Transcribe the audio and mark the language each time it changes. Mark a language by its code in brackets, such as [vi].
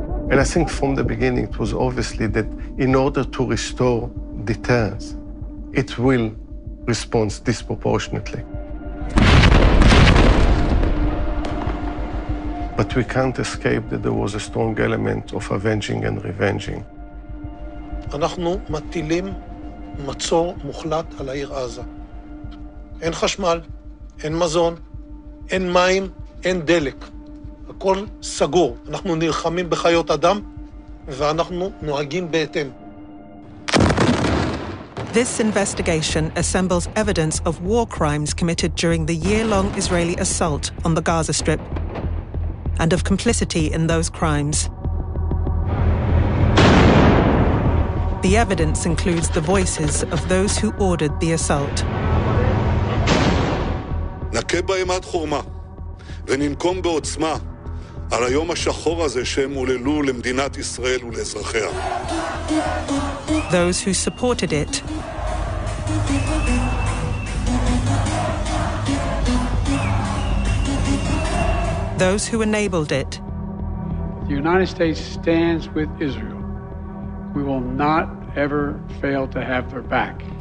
[en] And I think from the beginning, it was obviously that in order to restore deterrence, it will respond disproportionately. But we can't escape that there was a strong element of avenging and revenging. [he] אנחנו מטילים מצור מוחלט על העיר עזה. אין חשמל, אין מזון, אין מים, אין דלק. הכל סגור. אנחנו נלחמים בחיות אדם ואנחנו נוהגים בהתאם. [en] This investigation assembles evidence of war crimes committed during the year-long Israeli assault on the Gaza Strip and of complicity in those crimes. The evidence includes the voices of those who ordered the assault. [he] נקה בהם עד חורמה וננקום בעוצמה על היום השחור הזה שהם הוללו למדינת ישראל ולאזרחיה. [en] Those who supported it those who enabled it. The United States stands with Israel. We will not ever fail to have their back.